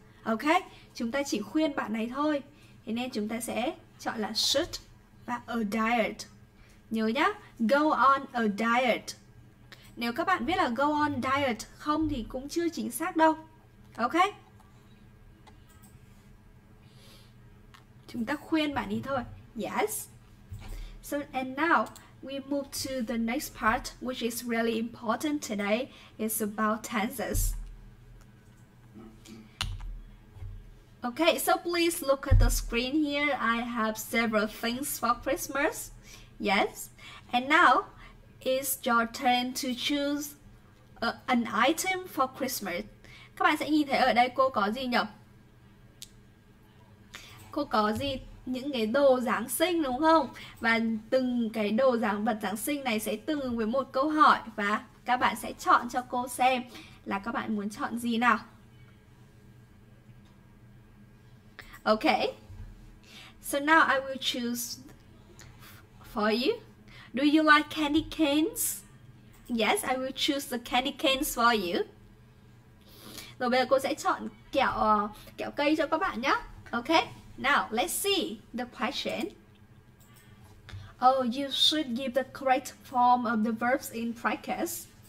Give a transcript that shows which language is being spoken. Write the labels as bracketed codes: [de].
[vi] Ok, chúng ta chỉ khuyên bạn này thôi, thế nên chúng ta sẽ chọn là should và a diet. Nhớ nhá, [en] go on a diet. [vi] Nếu các bạn biết là [en] go on diet [vi] không thì cũng chưa chính xác đâu. Ok, chúng ta khuyên bạn đi thôi. Yes. [en] So and now we move to the next part, which is really important today. It's about tenses. Okay, so please look at the screen here. I have several things for Christmas. Yes. And now it's your turn to choose an item for Christmas. [vi] Các bạn sẽ nhìn thấy ở đây cô có gì nhỉ? Cô có gì? Những cái đồ Giáng sinh, đúng không? Và từng cái đồ giáng vật Giáng sinh này sẽ tương ứng với một câu hỏi, và các bạn sẽ chọn cho cô xem là các bạn muốn chọn gì nào. [en] Okay, so now I will choose for you. Do you like candy canes? Yes, I will choose the candy canes for you. [vi] Rồi bây giờ cô sẽ chọn kẹo cây cho các bạn nhé. [en] Okay, now let's see the question. Oh, you should give the correct form of the verbs in practice.